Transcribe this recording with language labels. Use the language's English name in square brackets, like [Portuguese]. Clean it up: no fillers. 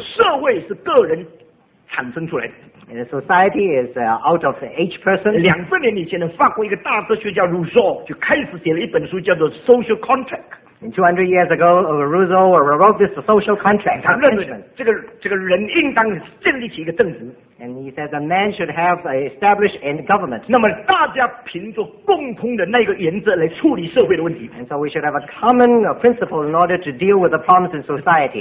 [Chinese] 社会是个人产生出来的。 [English] And the society is out of each person. [Chinese] 2000年以前的法国一个大哲学家Rousseau就开始写了一本书叫做 Social Contract. [English] And 200 years ago, Rousseau wrote this Social Contract. [Chinese] 他认为这个人应当建立起一个政府。 [English] And he said a man should have established a government. [Chinese] 那么大家凭着共同的那个原则来处理社会的问题。 [English] And so we should have a common principle in order to deal with the problems in society.